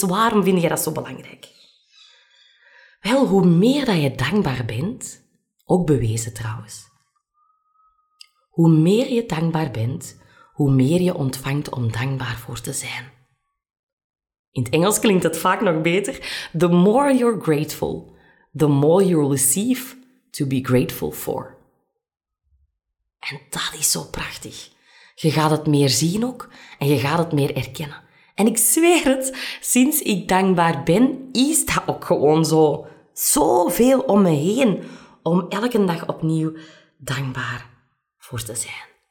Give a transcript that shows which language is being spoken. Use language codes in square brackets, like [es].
[nl] Waarom vind je dat zo belangrijk? Wel, hoe meer dat je dankbaar bent, ook bewezen trouwens, hoe meer je dankbaar bent, hoe meer je ontvangt om dankbaar voor te zijn. In het Engels klinkt het vaak nog beter. [en] The more you're grateful, the more you receive to be grateful for. [nl] En dat is zo prachtig. Je gaat het meer zien ook en je gaat het meer erkennen. En ik zweer het, sinds ik dankbaar ben, is dat ook gewoon zo. Zoveel om me heen om elke dag opnieuw dankbaar voor te zijn.